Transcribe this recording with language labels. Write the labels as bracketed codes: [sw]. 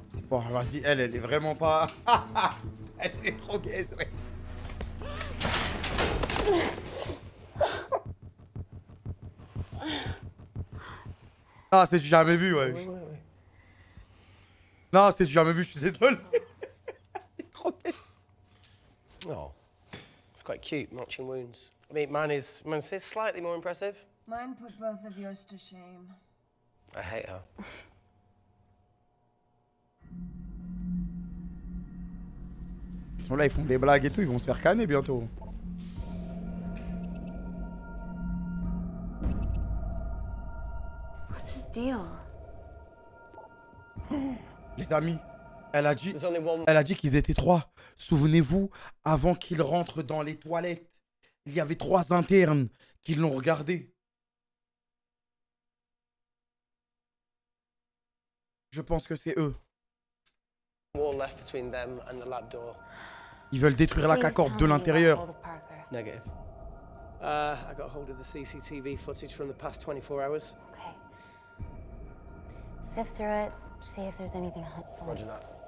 [fr] Bon, vas-y, elle est vraiment pas. Elle est trop gaise, ouais. Ah, c'est du jamais vu, ouais. Ouais. Non, c'est du jamais vu, je suis désolé. Il est trop bête. [en] Oh, it's quite cute, matching wounds. I mean, mine is slightly more impressive. Mine put both of yours to shame. I hate her. [fr] Ils sont là, ils font des blagues et tout, ils vont se faire canner bientôt. Les amis, elle a dit qu'ils étaient trois. Souvenez-vous, avant qu'ils rentrent dans les toilettes, il y avait trois internes qui l'ont regardé. Je pense que c'est eux. Ils veulent détruire la cacorbe de l'intérieur. [en] Negative. I got hold of the CCTV footage from the past 24 hours. Sift through it, see if there's anything helpful. Roger that.